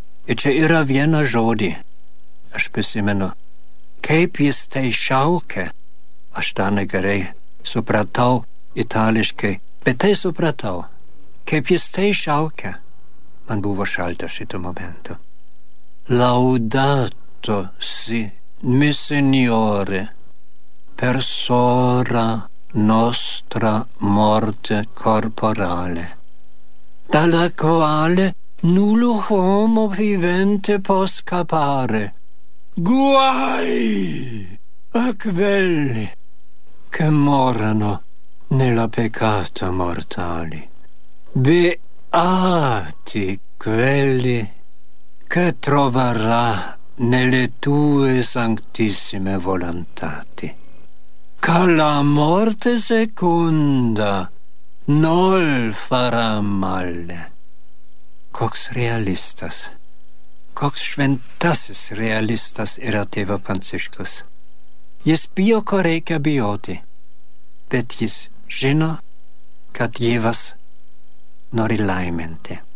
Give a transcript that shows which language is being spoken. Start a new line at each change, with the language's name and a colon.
Lithuanian: Ir čia yra viena žodį, aš prisimenu, kaip jis tai šaukė, aš ten gerai supratau itališkai, bet tai supratau, kaip jis tai šaukė, man buvo šalta šito momento.
Italian: Laudato si, mi signore, per sora nostra morte corporale, dalla quale nullo homo vivente può scappare. Guai a quelli che morano nella peccata mortali. Beati quelli che troverà nelle tue santissime volontati. Che la morte seconda non farà male.
Lithuanian: Koks realistas, koks šventasis realistas yra tėvo Pranciškus. Jis bijo, ko reikia bijoti, bet jis žino, kad Dievas nori laiminti.